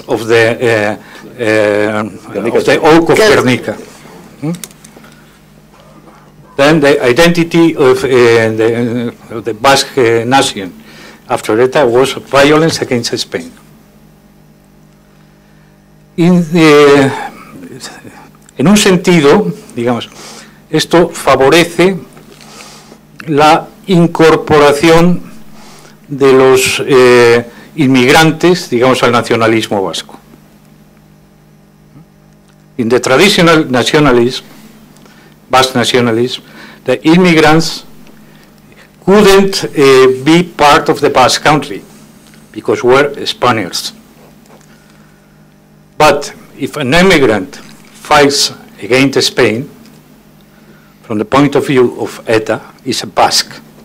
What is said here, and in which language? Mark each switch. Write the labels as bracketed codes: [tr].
[en] of the of the oak of Guernica. Then the identity of the Basque nation after ETA was violence against Spain. In the [es] en un sentido, digamos, esto favorece la incorporación de los inmigrantes, digamos, al nacionalismo vasco. [en] In the traditional nationalism, Basque nationalism, the immigrants couldn't be part of the Basque country because were Spaniards. But if an immigrant fights against Spain, from the point of view of ETA, is a Basque.